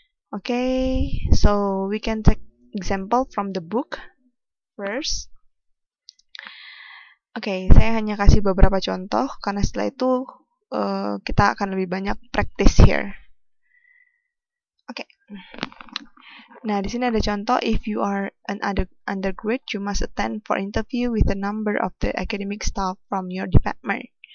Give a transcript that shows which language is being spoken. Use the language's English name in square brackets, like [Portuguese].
[English] Oke, so we can take example from the book first. [Indonesian] Oke, saya hanya kasih beberapa contoh karena setelah itu kita akan lebih banyak [English] practice here. [Indonesian] Oke. Nah, di sini ada contoh. [English] If you are an undergraduate, you must attend for interview with a number of the academic staff from your department.